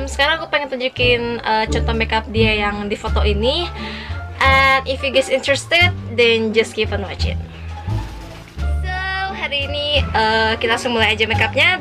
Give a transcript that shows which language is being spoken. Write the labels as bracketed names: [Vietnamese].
[Indonesian] Sekarang aku pengen tunjukin contoh makeup dia yang di foto ini. [English] And if you guys interested, then just keep on watching. [Indonesian] Hari ini kita langsung mulai aja makeupnya.